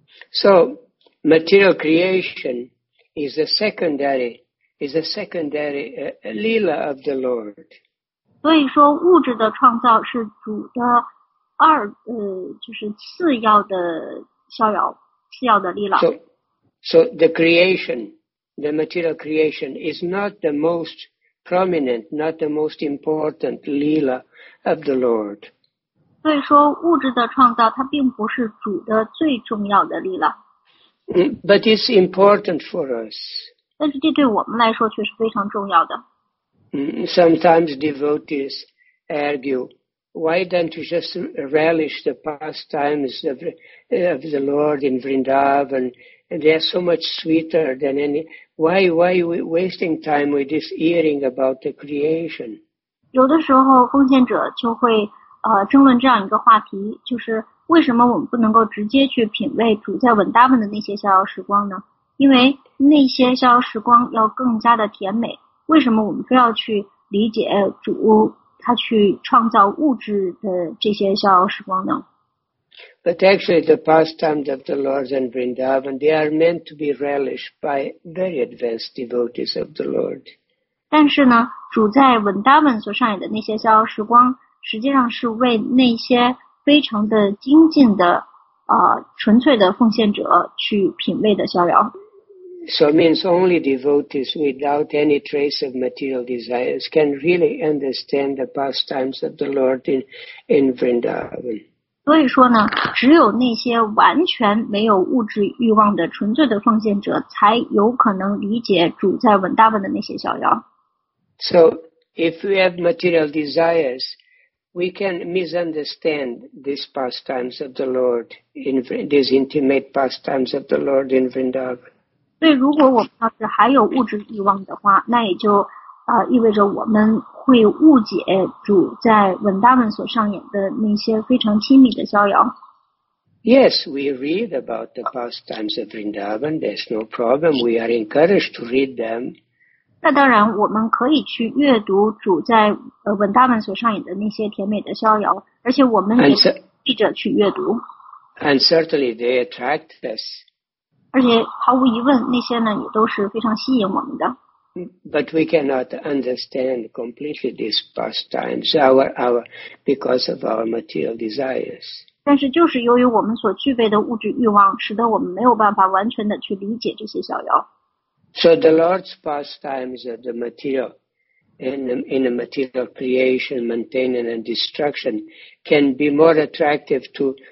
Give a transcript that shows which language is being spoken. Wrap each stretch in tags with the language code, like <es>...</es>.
<en>So material creation is a secondary lila of the Lord.</en> <zh>所以说物质的创造是主的就是次要的逍遥，次要的lila。</zh> <en>So the creation, the material creation is not the most prominent, not the most important lila of the Lord.</en> <zh>所以说物质的创造它并不是主的最重要的lila。</zh> <en>But it's important for us.</en> <zh>但是这对我们来说却是非常重要的。</zh> <en>Sometimes devotees argue, why don't you just relish the pastimes of the Lord in Vrindavan? They are so much sweeter than any. Why are we wasting time with this hearing about the creation?</en> <zh>有的时候奉献者就会争论这样一个话题，就是为什么我们不能够直接去品味主在文达文的那些逍遥时光呢？因为那些逍遥时光要更加的甜美，为什么我们非要去理解主他去创造物质的这些逍遥时光呢？</zh> <en>But actually the pastimes of the Lord and Vrindavan, they are meant to be relished by very advanced devotees of the Lord.</en> <zh>但是呢，主在文达文所上演的那些逍遥时光实际上是为那些非常的精进的纯粹的奉献者去品味的逍遥。</zh> <en>So it means only devotees without any trace of material desires can really understand the pastimes of the Lord in Vrindavan.</en> <zh>所以说呢，只有那些完全没有物质欲望的纯粹的奉献者才有可能理解主在文达文的那些逍遥。</zh> <en>So if we have material desires, we can misunderstand these pastimes of the Lord in these intimate pastimes of the Lord in Vrindavan.</en> <zh>所以如果我们要是还有物质欲望的话，那也就意味着我们会误解主在文达文所上演的那些非常亲密的逍遥。</zh> <en>Yes, we read about the pastimes of Vrindavan. There's no problem. We are encouraged to read them.</en> <zh>那当然我们可以去阅读主在文达文所上演的那些甜美的逍遥，而且我们也记着去阅读。</zh> <en>And certainly they attract us.</en> <zh>而且毫无疑问，那些呢也都是非常吸引我们的。</zh> <en>But we cannot understand completely these pastimes, our because of our material desires.</en> <zh>但是就是由于我们所具备的物质欲望，使得我们没有办法完全的去理解这些逍遥。</zh> <en>So the Lord's pastimes are the material, in the material creation, maintaining and destruction, can be more attractive to.</en>